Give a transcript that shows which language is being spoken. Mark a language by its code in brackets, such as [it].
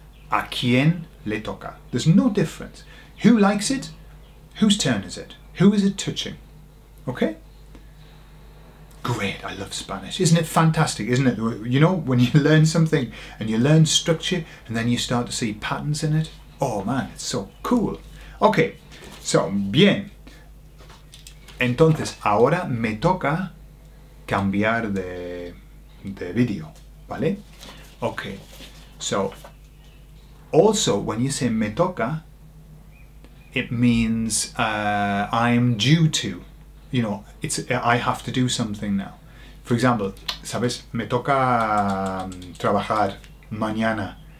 [es] A quien le toca. [en] There's no difference. Who likes it? Whose turn is it? Who is it touching? Okay? Great, I love Spanish. Isn't it fantastic, isn't it? You know, when you learn something and you learn structure and then you start to see patterns in it. Oh man, it's so cool. Okay, so, bien. [es] Entonces, ahora me toca cambiar de video, ¿vale? [en] Okay, so, also, when you say me toca, it means I'm due to. You know, it's I have to do something now. For example, [es] ¿sabes? Me toca trabajar mañana.